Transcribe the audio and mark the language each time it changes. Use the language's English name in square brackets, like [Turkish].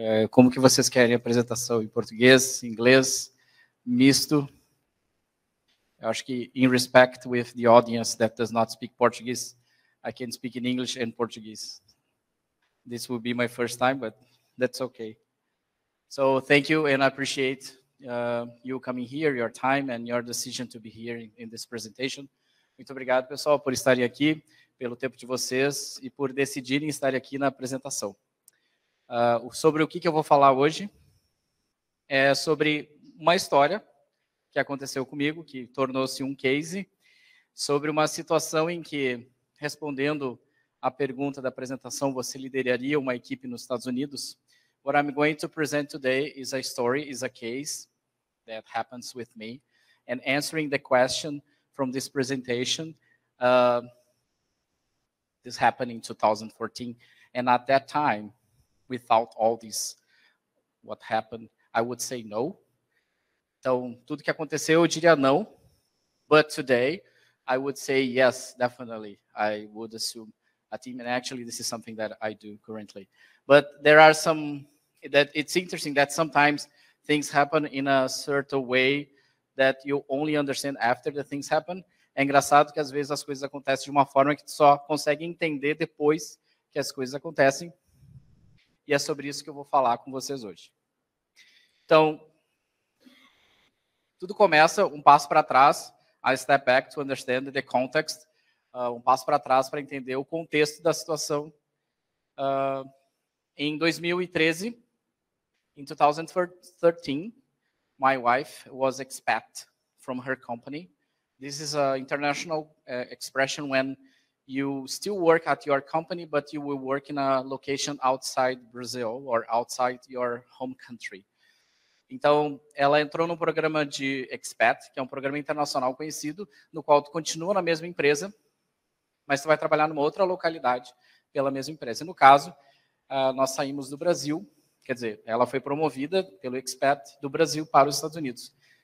[Portuguese] Como que vocês querem a apresentação? Em português, inglês, misto? Eu acho que, [English] in respect with the audience that does not speak Portuguese, I can speak in English and Portuguese. This will be my first time, but that's okay. So thank you, and I appreciate you coming here, your time, and your decision to be here in this presentation. [Portuguese] Muito obrigado, pessoal, por estarem aqui, pelo tempo de vocês e por decidirem estar aqui na apresentação. Sobre o que eu vou falar hoje é sobre uma história que aconteceu comigo, que tornou-se um case, sobre uma situação em que, respondendo à pergunta da apresentação, você lideraria uma equipe nos Estados Unidos? [English] What I'm going to present today is a story, is a case that happens with me, and answering the question from this presentation, this happened in 2014, and at that time, without all this, what happened, I would say no. [Portuguese] Então, tudo que aconteceu, eu diria não, [English] but today, I would say yes, definitely, I would assume a team, and actually, this is something that I do currently. But there are some, that it's interesting that sometimes things happen in a certain way that you only understand after the things happen. [Portuguese] É engraçado que às vezes as coisas acontecem de uma forma que tu só consegue entender depois que as coisas acontecem. E é sobre isso que eu vou falar com vocês hoje. Então, tudo começa um passo para trás, [English] a step back to understand the context, [Portuguese] um passo para trás para entender o contexto da situação. Em 2013, [English] in 2013, my wife was expat from her company. This is an international expression when you still work at your company, but you will work in a location outside Brazil or outside your home country. [Portuguese] Então, ela entrou no programa de expat, que é um programa internacional conhecido, no qual tu continua na mesma empresa, mas tu vai trabalhar numa outra localidade pela mesma empresa. No caso, nós saímos do Brasil. Quer dizer, ela foi promovida pelo expat do Brasil para os Estados Unidos.